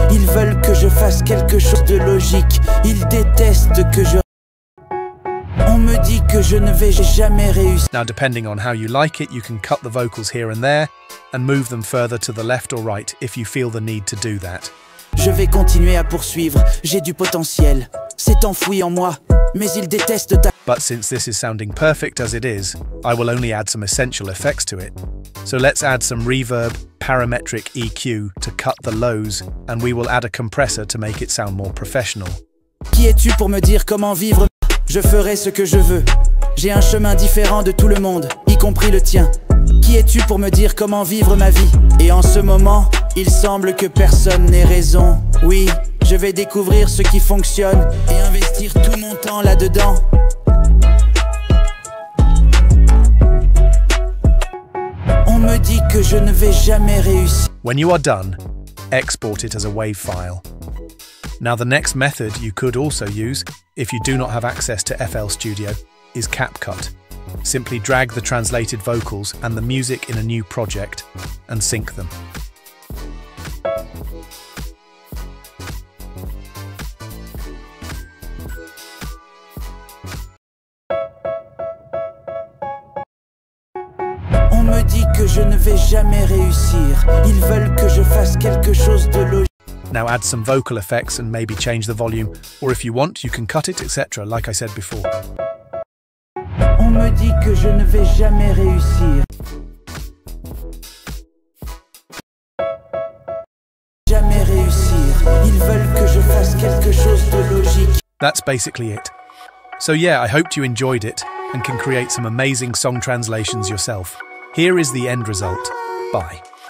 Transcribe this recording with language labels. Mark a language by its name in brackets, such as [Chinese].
[French] Ils veulent que je fasse quelque chose de logique. Ils détestent que je [English] Now, depending on how you like it, you can cut the vocals here and there and move them further to the left or right if you feel the need to do that. [French] Je vais continuer à poursuivre. J'ai du potentiel. C'est enfoui en moi. Mais ils détestent ta... [English] But since this is sounding perfect as it is, I will only add some essential effects to it. So let's add some reverb, parametric EQ to cut the lows, and we will add a compressor to make it sound more professional. [French] Qui es-tu pour me dire comment vivre? Je ferai ce que je veux. J'ai un chemin différent de tout le monde, y compris le tien. Qui es-tu pour me dire comment vivre ma vie? Et en ce moment, il semble que personne n'ait raison. Oui, je vais découvrir ce qui fonctionne et investir tout mon temps là-dedans. On me dit que je ne vais jamais réussir. [English] When you are done, export it as a WAV file. Now the next method you could also use, if you do not have access to FL Studio, is CapCut. Simply drag the translated vocals and the music in a new project and sync them. [French] On me dit que je jamais réussir. Ils veulent que je fasse quelque chose de logique. [English] Now add some vocal effects and maybe change the volume. Or if you want, you can cut it, etc., like I said before. [French] On me dit que je ne vais jamais réussir. Jamais réussir. Ils veulent que je fasse quelque chose de logique. [English] That's basically it. So yeah, I hoped you enjoyed it and can create some amazing song translations yourself. Here is the end result. Bye.